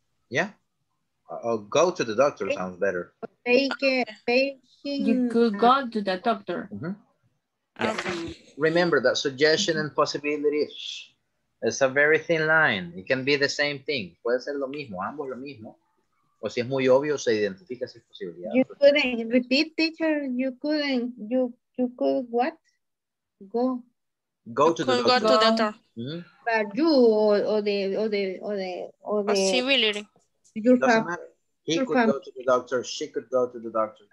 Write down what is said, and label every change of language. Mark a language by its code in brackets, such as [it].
[en] Yeah, I'll go to the doctor, sounds better. You could go to the doctor. Mm-hmm. Yeah. Remember that suggestion and possibility, it's a very thin line. It can be the same thing. [es] Puede ser lo mismo, ambos lo mismo. O si es muy obvio, se identifica si es posibilidad. [en] You couldn't, repeat teacher, you couldn't, you could what? Go. Go to the doctor. Go to the doctor. Mm-hmm. But you or the possibility. Your family. He could go to the doctor. She could go to the doctor.